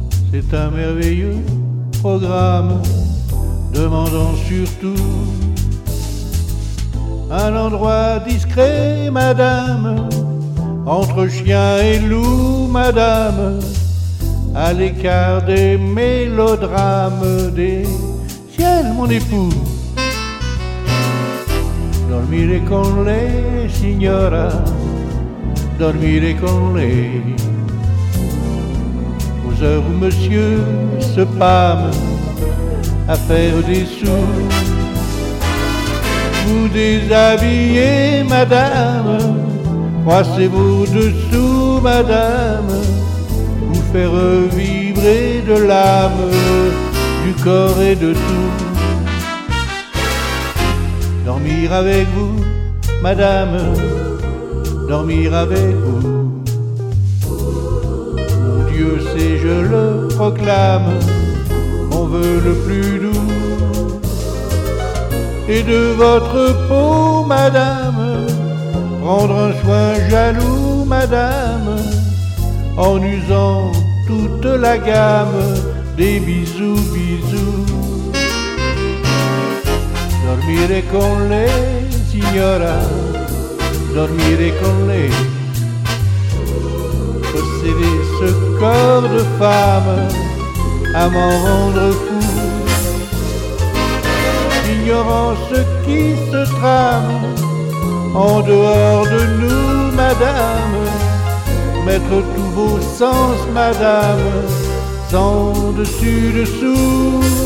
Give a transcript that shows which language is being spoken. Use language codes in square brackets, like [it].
[fr] C'est un merveilleux programme, demandons surtout un endroit discret, madame, entre chien et loup, madame, à l'écart des mélodrames des ciels, mon époux. [it] Dormire con lei, signora, dormire con lei. [fr] Aux heures où monsieur se pâme à faire des sous, vous déshabillez, madame, croisez-vous dessous, madame, vous faire vibrer de l'âme, du corps et de tout. Dormir avec vous, madame, dormir avec vous. Mon Dieu sait, je le proclame, mon vœu le plus doux. Et de votre peau, madame, prendre un soin jaloux, madame, en usant toute la gamme des bisous, bisous. [it] Dormire con lei, signora, dormire con lei. [fr] Posséder ce corps de femme à m'en rendre fou. Ignorant ce qui se trame en dehors de nous, madame, mettre tous vos sens, madame, sans dessus dessous.